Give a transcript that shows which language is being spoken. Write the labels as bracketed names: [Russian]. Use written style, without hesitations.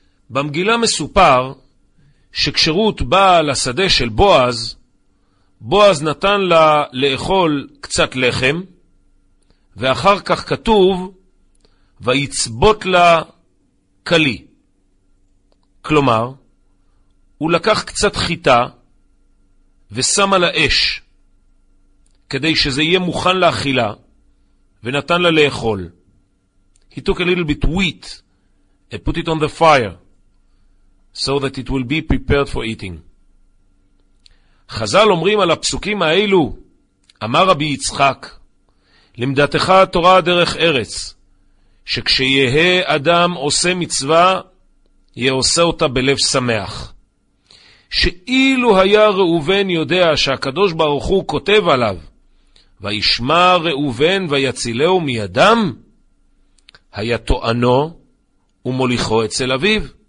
[Hebrew] במגילה מסופר שכשרות באה לשדה של בועז, בועז נתן לה לאכול קצת לחם, ואחר כך כתוב, ויצבות לה קלי. כלומר, הוא לקח קצת חיטה ושם על האש, כדי שזה יהיה מוכן לאכילה, ונתן לה לאכול. [English] He took a little bit wheat and put it on the fire, so that it will be prepared for eating. [Hebrew] חז"ל אומרים על הפסוקים האלו, אמר רבי יצחק, למדתך התורה דרך ארץ, שכשיהא אדם עושה מצווה, יהא עושה אותה בלב שמח. שאילו היה ראובן יודע שהקדוש ברוך הוא כותב עליו, וישמע ראובן ויצילהו מידם, היה טוענו ומוליכו אצל אביו.